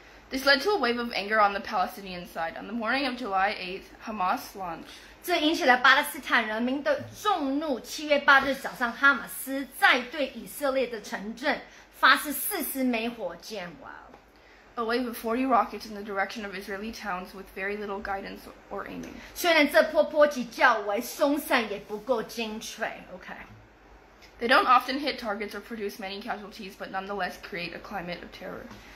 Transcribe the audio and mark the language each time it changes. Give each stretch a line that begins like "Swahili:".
English: This led to a wave of anger on the Palestinian side. On the morning of July 8th, Hamas launched.
Chinese: 这引起了巴勒斯坦人民的众怒, 7月8日早上, 哈马斯再对以色列的城镇发射40枚火箭, wow.
English: A wave of 40 rockets in the direction of Israeli towns with very little guidance or aiming.
Chinese: 虽然这波波及较为松散也不够精确, okay.
English: They don't often hit targets or produce many casualties, but nonetheless create a climate of terror.